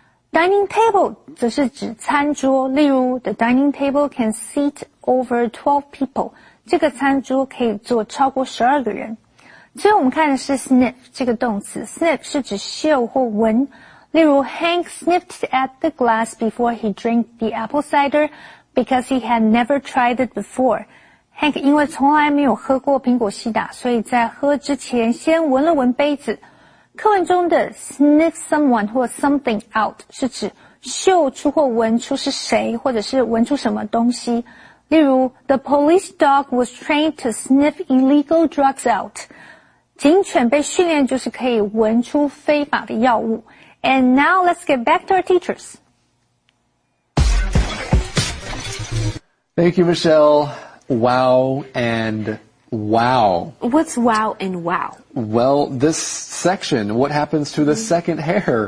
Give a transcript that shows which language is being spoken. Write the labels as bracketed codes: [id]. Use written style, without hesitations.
[en] Dining table [zh] 则是指餐桌。例如 [en] ，The dining table can seat over 12 people. [zh] 这个餐桌可以坐超过12个人。最后我们看的是 sniff 这个动词。Sniff 是指嗅或闻。例如, [en] Hank sniffed at the glass before he drank the apple cider because he had never tried it before. [zh] Hank 因为从来没有喝过苹果西打，所以在喝之前先闻了闻杯子。课文中的 sniff someone 或 something out 是指嗅出或闻出是谁，或者是闻出什么东西。例如 [en] ,the police dog was trained to sniff illegal drugs out. [zh] 警犬被训练就是可以闻出非法的药物。 [en] And now let's get back to our teachers. Thank you, Michelle. Wow and wow. What's wow and wow? Well, this section, what happens to the second hair?